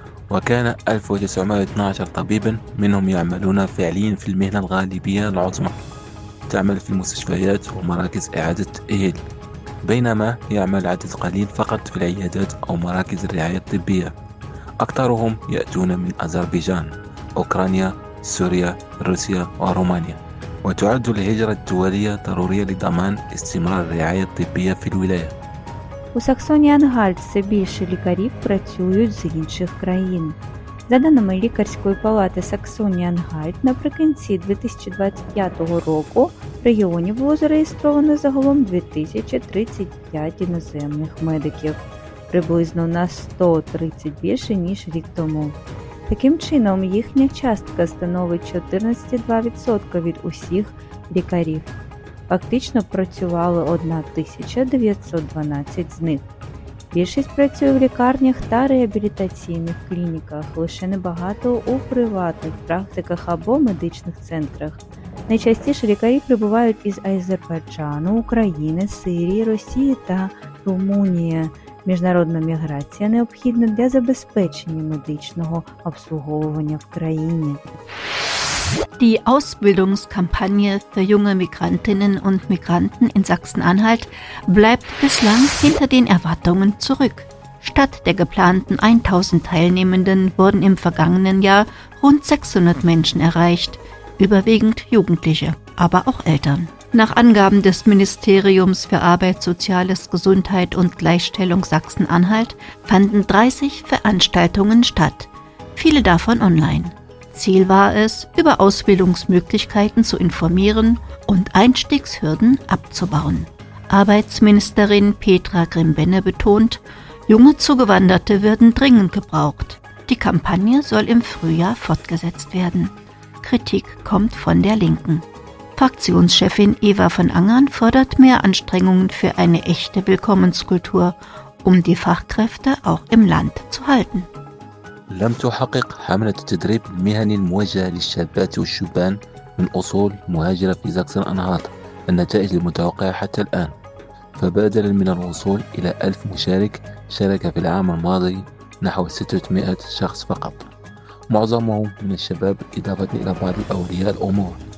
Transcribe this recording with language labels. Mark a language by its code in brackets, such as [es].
[ar] وكان 1912 طبيبا منهم يعملون فعليا في المهنة الغالبية العظمى، تعمل في المستشفيات ومراكز إعادة تأهيل، بينما يعمل عدد قليل فقط في العيادات أو مراكز الرعاية الطبية، أكثرهم يأتون من أذربيجان، أوكرانيا، سوريا، روسيا ورومانيا. وتعد الهجرة الدولية ضرورية لضمان استمرار الرعاية الطبية في الولاية. [uk] У Саксоні-Анхальт все більше лікарів працюють з інших країн. За даними лікарської палати Саксоні-Анхальт, наприкінці 2025 року в регіоні було зареєстровано загалом 2035 іноземних медиків, приблизно на 130 більше, ніж рік тому. Таким чином, їхня частка становить 14,2% від усіх лікарів. Фактично працювали 1912 з них. Більшість працює в лікарнях та реабілітаційних клініках, лише небагато у приватних практиках або медичних центрах. Найчастіше лікарі прибувають із Азербайджану, України, Сирії, Росії та Румунії. Міжнародна міграція необхідна для забезпечення медичного обслуговування в країні. [de] Die Ausbildungskampagne für junge Migrantinnen und Migranten in Sachsen-Anhalt bleibt bislang hinter den Erwartungen zurück. Statt der geplanten 1000 Teilnehmenden wurden im vergangenen Jahr rund 600 Menschen erreicht, überwiegend Jugendliche, aber auch Eltern. Nach Angaben des Ministeriums für Arbeit, Soziales, Gesundheit und Gleichstellung Sachsen-Anhalt fanden 30 Veranstaltungen statt, viele davon online. Ziel war es, über Ausbildungsmöglichkeiten zu informieren und Einstiegshürden abzubauen. Arbeitsministerin Petra Grimbenne betont, junge Zugewanderte würden dringend gebraucht. Die Kampagne soll im Frühjahr fortgesetzt werden. Kritik kommt von der Linken. Fraktionschefin Eva von Angern fordert mehr Anstrengungen für eine echte Willkommenskultur, um die Fachkräfte auch im Land zu halten. [ar] لم تحقق حملة التدريب المهني الموجهة للشابات والشبان من أصول مهاجرة في سachsen-Anhalt النتائج المتوقعة حتى الآن، فبدلا من الوصول إلى 1000 مشارك شارك في العام الماضي نحو 600 شخص فقط، معظمهم من الشباب إضافة إلى بعض أولياء الأمور،